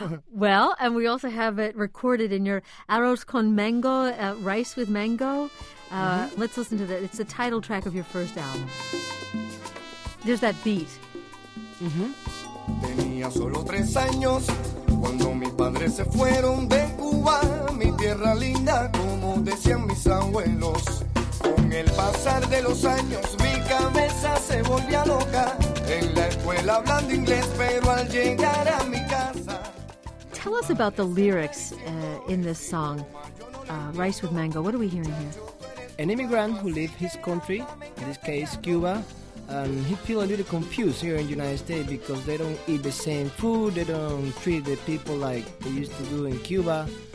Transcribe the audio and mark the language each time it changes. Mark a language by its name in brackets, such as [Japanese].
[English] Well, and we also have it recorded in your Arroz con Mango, Rice with Mango. Let's listen to that. It's the title track of your first album. There's that beat. [Spanish] Tenía solo tres años cuando mis padres se fueron de Cuba, mi tierra linda, como decían mis abuelos. Con el pasar de los años mi cabeza se volvía loca, en la escuela hablando inglés, pero al llegar a mi casa. [English] Tell us about the lyrics in this song, Rice with Mango. What are we hearing here? An immigrant who left his country, in this case Cuba. And he feel a little confused here in the United States because they don't eat the same food, they don't treat the people like they used to do in Cuba.